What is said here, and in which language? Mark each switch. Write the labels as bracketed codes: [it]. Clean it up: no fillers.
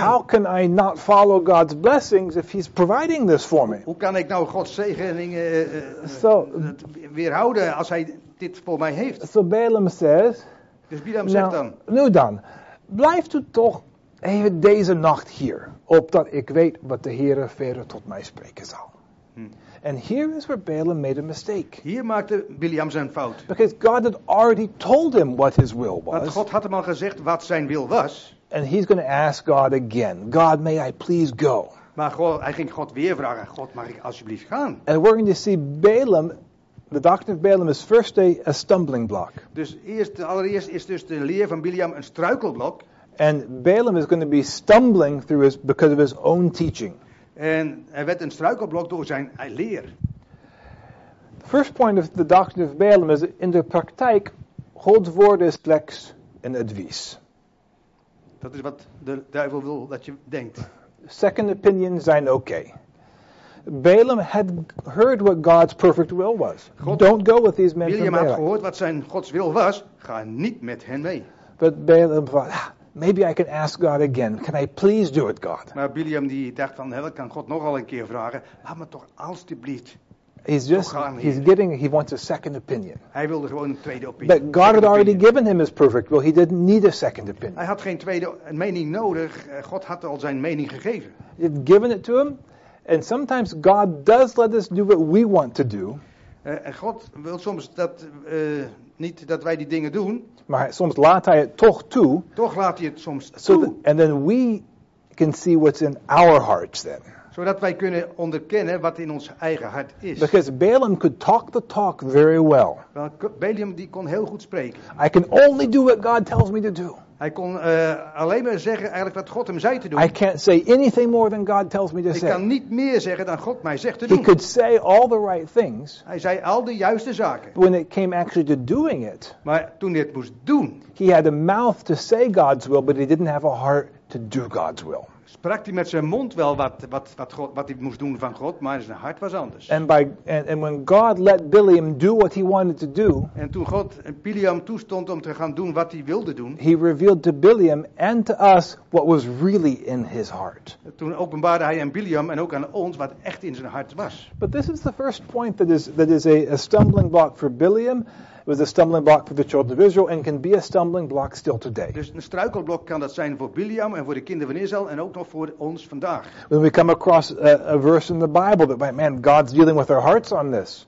[en] How can I not follow God's blessings if he's providing this for me? [nl] Hoe kan ik nou Gods zegeningen weerhouden als hij dit voor mij heeft? [en] So Balaam says. [nl] Dus Bileam zegt dan. Nu dan, blijft u toch even deze nacht hier, opdat ik weet wat de Heere verder tot mij spreken zal. [en] And here is where Balaam made a mistake. [nl] Hier maakte Bileam zijn fout. [en] Because God had already told him what his will was. [nl] Want God had hem al gezegd wat zijn wil was. [en] And he's going to ask God again. God, may I please go? [nl] Maar God, hij ging God weer vragen. God, mag ik alsjeblieft gaan? [en] And we're going to see Balaam, the doctrine of Balaam is first a stumbling block. [nl] Dus eerst, allereerst is dus de leer van Bileam een struikelblok. [en] And Balaam is going to be stumbling through his because of his own teaching. [nl] En hij werd een struikelblok door zijn leer. [en] The first point of the doctrine of Balaam is [nl] in de praktijk Gods woord is slechts een advies. Dat is wat de duivel wil dat je denkt. Second opinions zijn okay. [en] Balaam had heard what God's perfect will was. God, don't go with these men. [nl] Bileam had gehoord wat zijn Gods wil was. Ga niet met hen mee. [en] But Balaam thought, maybe I can ask God again. Can I please do it, God? [nl] Maar Bileam die dacht van, hè, kan God nogal een keer vragen. Laat me toch alstublieft. [en] He's just, he's getting, he wants a second opinion. [nl] Hij wilde gewoon een tweede opinie. [en] But God had already given him his perfect will. He didn't need a second opinion. [nl] Hij had geen tweede mening nodig. God had al zijn mening gegeven. [en] He'd given it to him. And sometimes God does let us do what we want to do. [nl] En God wil soms dat niet dat wij die dingen doen. Maar soms laat hij het toch toe. Toch laat hij het soms toe. [en] So and then we can see what's in our hearts then. [nl] Zodat wij kunnen onderkennen wat in ons eigen hart is. [en] Because Balaam could talk the talk very well. [nl] Well, Balaam die kon heel goed spreken. [en] I can only do what God tells me to do. [nl] Hij kon alleen maar zeggen eigenlijk wat God hem zei te doen. [en] I can't say anything more than God tells me to say. [nl] Ik kan niet meer zeggen dan God mij zegt te doen. [en] He could say all the right things. [nl] Hij zei al de juiste zaken. [en] When it came actually to doing it. [nl] Maar toen hij het moest doen. [en] He had a mouth to say God's will, but he didn't have a heart to do God's will. [nl] Sprak hij met zijn mond wel wat God, wat hij moest doen van God, maar zijn hart was anders. [en] And when God let Bileam do what he wanted to do. [nl] En toen God Bileam toestond om te gaan doen wat hij wilde doen. [en] He revealed to Bileam and to us what was really in his heart. [nl] Toen openbaarde hij aan Bileam en ook aan ons wat echt in zijn hart was. [en] But this is the first point that is a stumbling block for Bileam. It was a stumbling block for the children of Israel and can be a stumbling block still today. [nl] Dus een struikelblok kan dat zijn voor Bileam en voor de kinderen van Israël en ook nog voor ons vandaag. [en] When we come across a verse in the Bible that, man, God's dealing with our hearts on this.